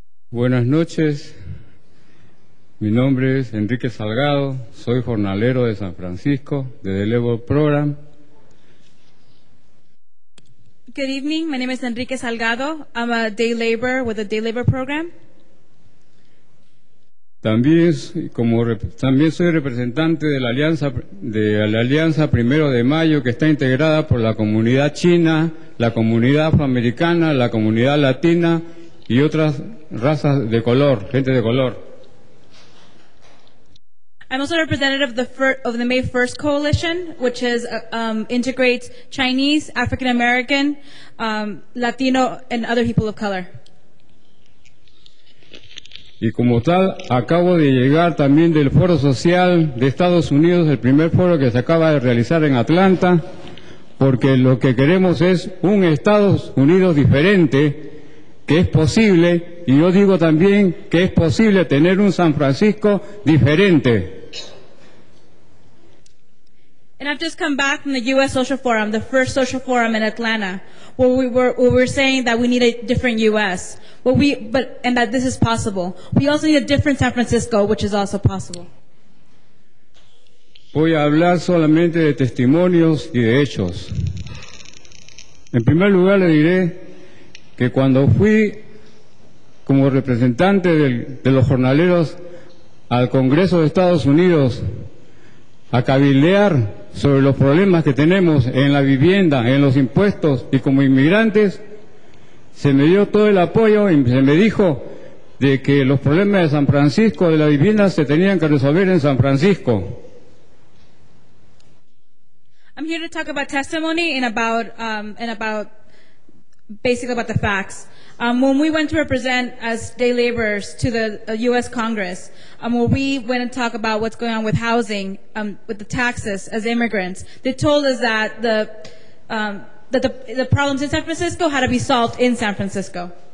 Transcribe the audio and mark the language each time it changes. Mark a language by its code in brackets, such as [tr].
[es] Buenas noches. Mi nombre es Enrique Salgado. Soy jornalero de San Francisco, de The Level Program. [en] Good evening. My name is Enrique Salgado. I'm a day laborer with the day labor program. [es] También soy representante de la alianza Primero de Mayo, que está integrada por la comunidad china, la comunidad afroamericana, la comunidad latina y otras razas de color, gente de color. [en] I'm also a representative of the May 1st Coalition, which is integrates Chinese, African American, Latino, and other people of color. [es] Y como tal, acabo de llegar también del Foro Social de Estados Unidos, el primer foro que se acaba de realizar en Atlanta, porque lo que queremos es un Estados Unidos diferente, que es posible, y yo digo también que es posible tener un San Francisco diferente. [en] And I've just come back from the U.S. Social Forum, the first social forum in Atlanta, where we were saying that we need a different U.S. And that this is possible. We also need a different San Francisco, which is also possible. [es] Voy a hablar solamente de testimonios y de hechos. En primer lugar, le diré que cuando fui como representante de los jornaleros al Congreso de Estados Unidos a cabildear sobre los problemas que tenemos en la vivienda, en los impuestos y como inmigrantes, se me dio todo el apoyo y se me dijo de que los problemas de San Francisco, de la vivienda, se tenían que resolver en San Francisco. [en] I'm here to talk about testimony and about basically about the facts. When we went to represent as day laborers to the U.S. Congress, when we went and talked about what's going on with housing, with the taxes as immigrants, they told us that the problems in San Francisco had to be solved in San Francisco.